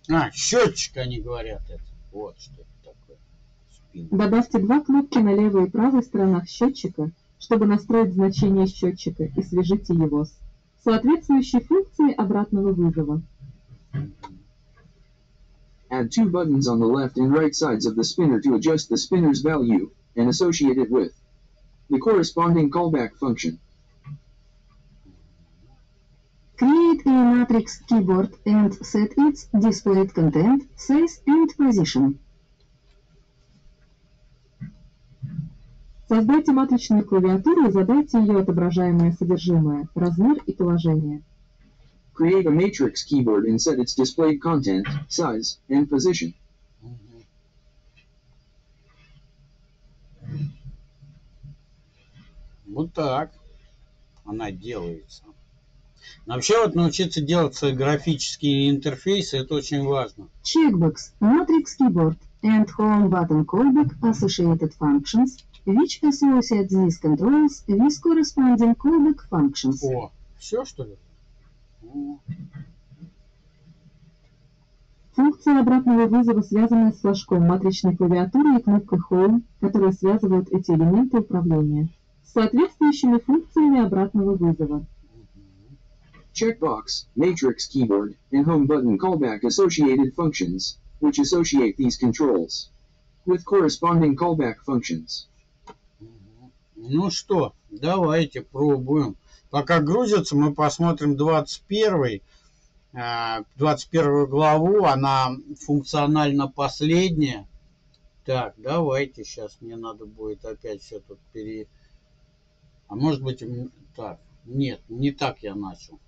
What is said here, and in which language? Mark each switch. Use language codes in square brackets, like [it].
[ru] А, счетчик, они говорят это. Вот что это такое. Спиннер. Добавьте два кнопки на левой и правой сторонах счетчика, чтобы настроить значение счетчика и свяжите его с соответствующей функцией обратного вызова. [en] Add two buttons on the left and right sides of the spinner to adjust the spinner's value and associate it with the corresponding callback function. Create a matrix keyboard and set its displayed content, size and position. [ru] Создайте матричную клавиатуру и задайте ее отображаемое содержимое, размер и положение. [en] Create a matrix keyboard and set its displayed content, size, and position. [ru] Вот так она делается. Вообще вот научиться делать графические интерфейсы, это очень важно. [en] Checkbox, matrix keyboard, and home button callback associated functions, which associate these controls with corresponding callback functions. [ru] О, все что ли? Функция обратного вызова, связанная с флажком матричной клавиатуры и кнопкой Home, которая связывает эти элементы управления с соответствующими функциями обратного вызова. [en] Checkbox, matrix keyboard, and home button callback associated functions, which associate these controls with corresponding callback functions. [ru] Ну что, давайте пробуем. Пока грузится, мы посмотрим 21 главу, она функционально последняя. Так, давайте, сейчас мне надо будет опять все тут А может быть, так, нет, не так я начал.